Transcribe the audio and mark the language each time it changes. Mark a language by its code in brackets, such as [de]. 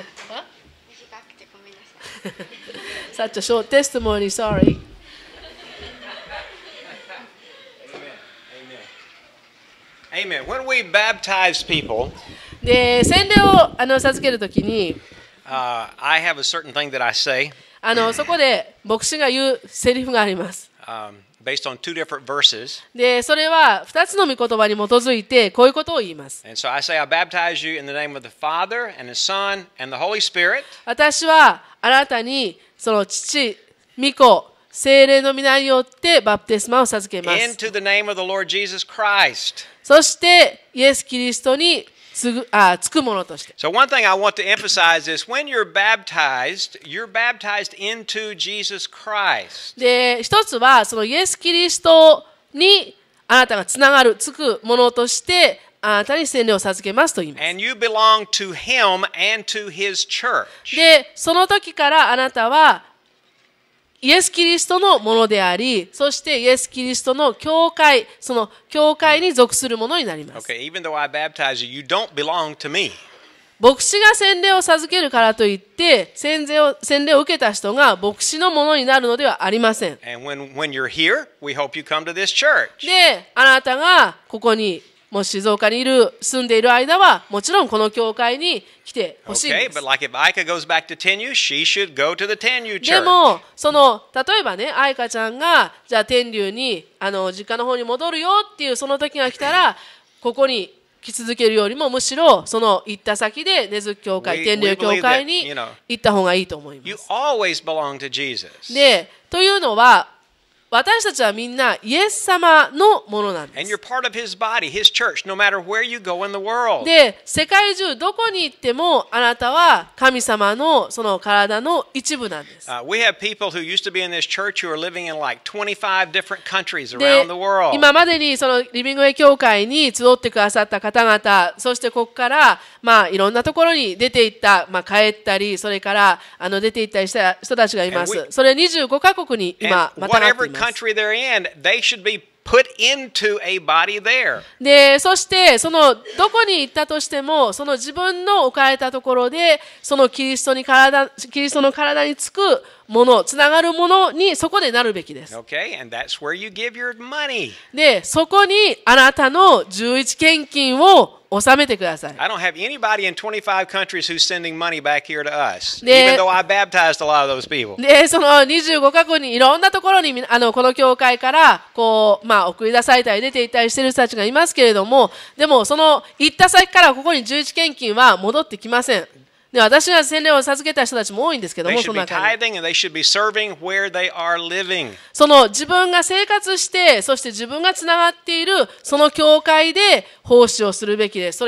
[en] What? [ja] 短くてごめんなさい。 [en] Such a short testimony, sorry Amen. When we baptize people, [ja] で洗礼をあの授けるときに、 [en] I have a certain thing that I say. [ja] あのそこで牧師が言うセリフがあります。 [en] Based on two different verses. [ja] でそれは二つの御言葉に基づいてこういうことを言います。 [en] And so I say, I baptize you in the name of the Father and the Son and the Holy Spirit. [ja] 私はあなたにその父、御子、聖霊の御名によってバプテスマを授けます。 [en] Into the name of the Lord Jesus Christ. [ja] そして、イエス・キリストにつくものとして。 [en] So one thing I want to emphasize is when you're baptized into Jesus Christ. [ja] で、一つは、そのイエス・キリストにあなたがつながる、つくものとして、あなたに洗礼を授けますと言います。 [en] And you belong to him and to his church. [ja] で、その時からあなたは、イエス・キリストのものであり、そしてイエス・キリストの教会、その教会に属するものになります。 [en] Okay, even though I baptize you, you don't belong to me. [ja] 牧師が洗礼を授けるからといって、洗礼を受けた人が牧師のものになるのではありません。 [en] And when you're here, we hope you come to this church. [ja] で、あなたがここにもう静岡にいる住んでいる間はもちろんこの教会に来てほしいんです。 [en] Okay, but like if Aika goes back to Tenyu, she should go to the Tenyu church. [ja] でもその例えばね、愛花ちゃんがじゃあ天竜にあの実家の方に戻るよっていうその時が来たら、ここに来続けるよりもむしろその行った先で根津教会、天竜教会に行った方がいいと思います。 [en] You always belong to Jesus. [ja] で、というのは私たちはみんなイエス様のものなんです。 [en] And you're part of his body, his church, no matter where you go in the world. [ja] で、世界中どこに行ってもあなたは神様のその体の一部なんです。 [en] We have people who used to be in this church who are living in like 25 different countries around the world. [ja] で、今までにそのリビングウェイ教会に集ってくださった方々、そしてここからまあいろんなところに出て行った、まあ帰ったり、それからあの出て行ったりした人たちがいます。それ25カ国に今またがっています。 [en] Country they're in, they should be put into a body there. [ja] で、そしてそのどこに行ったとしても、その自分の置かれたところで、そのキリストに体、キリストの体につくもの、つながるものにそこでなるべきです。 [en] Okay, and that's where you give your money. [ja] で、そこにあなたの11献金を納めてください。 [en] I don't have anybody in 25 countries who's sending money back here to us, even though I baptized a lot of those people. [ja] で、その25カ国にいろんなところにあのこの教会からこう、まあ、送り出されたり出て行ったりしている人たちがいますけれども、でもその行った先からここに11献金は戻ってきません。で、私が洗礼を授けた人たちも多いんですけども、その中に。その自分が生活して、そして自分がつながっている、その教会で奉仕をするべきです。